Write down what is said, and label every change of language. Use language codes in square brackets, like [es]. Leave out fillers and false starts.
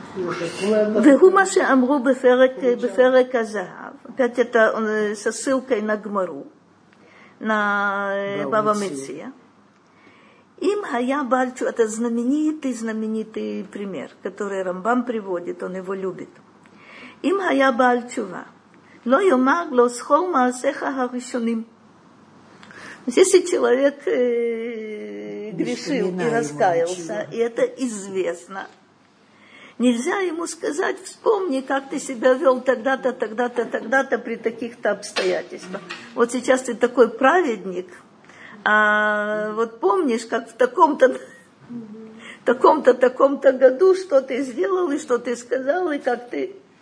[he] Вегумаши амру беферек азагав. [ru] Опять это со ссылкой на гмару. На Баба Меция. [he] Им хая бальчу, [ru] это знаменитый пример, который Рамбам приводит, он его любит. [he] אם היה בעל תשובה, לא יאמר לו סכול מעשיך הראשונים. [ru] Если человек грешил и раскаялся, и это известно, нельзя ему сказать, вспомни, как ты себя вел тогда-то, тогда-то, тогда-то при таких-то обстоятельствах. Вот сейчас ты такой праведник, а вот помнишь, как в таком-то, таком-то, таком-то году, что ты сделал и что ты сказал, и как ты...